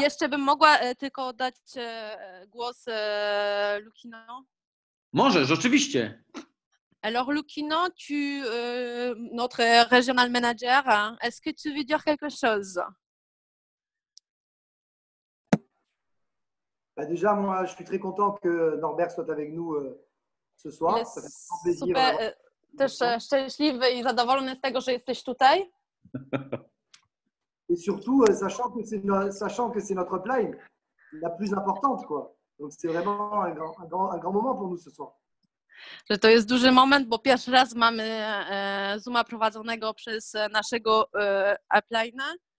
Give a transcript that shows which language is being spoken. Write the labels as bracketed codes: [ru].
[pl] Jeszcze bym mogła tylko oddać głos Lukino. Możesz, oczywiście. [fr] Alors Lukino, tu notre regional manager, est-ce que tu veux dire quelque chose? Bah déjà moi, je suis très content que Norbert soit avec nous ce soir. Mais ça fait plaisir. [pl] Też szczęśliwy i zadowolony z tego, że jesteś tutaj. [fr] Et surtout sachant que c'est notre plane la plus importante quoi. Donc c'est vraiment un grand moment pour nous ce soir. [pl] Że to jest duży moment, bo pierwszy raz mamy Zooma prowadzonego przez naszego upline'a.